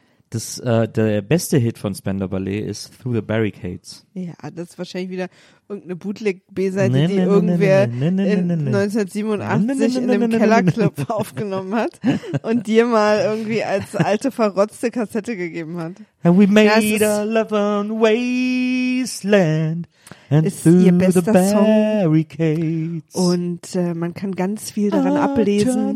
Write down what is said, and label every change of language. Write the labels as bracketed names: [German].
[German] Das, der beste Hit von Spandau Ballet ist Through the Barricades. Ja, das ist wahrscheinlich wieder irgendeine Bootleg-B-Seite, die irgendwer 1987 in einem Kellerclub aufgenommen hat und dir mal irgendwie als alte verrotzte Kassette gegeben hat. [English] And we made a love on wasteland and through the barricades. [German] Und man kann ganz viel daran ablesen.